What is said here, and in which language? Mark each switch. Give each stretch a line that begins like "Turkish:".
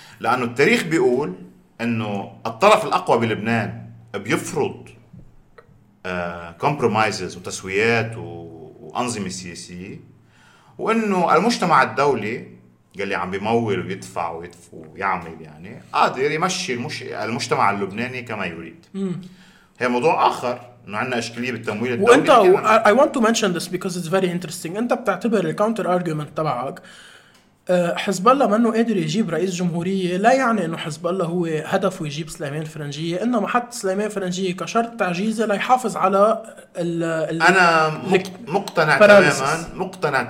Arabic: لانه التاريخ بيقول انه الطرف الاقوى بلبنان بيفرض كومبرومايزز وتسويات وانظمه سياسيه، وانه المجتمع الدولي اللي عم بيمول ويدفع ويعمل يعني قادر يمشي المجتمع اللبناني كما يريد. هي موضوع اخر انه عندنا اشكاليه بالتمويل الدولي. وانت
English: I want to mention this because it's very interesting.
Arabic: انت بتعتبر الكاونتر ارجيومنت تبعك حزب الله ما انه قادر يجيب رئيس جمهوريه لا يعني انه حزب الله هو هدف يجيب سليمان فرنجيه، انما حط سليمان فرنجيه كشرط تعجيزه ليحافظ على الـ انا مقتنع paralysis.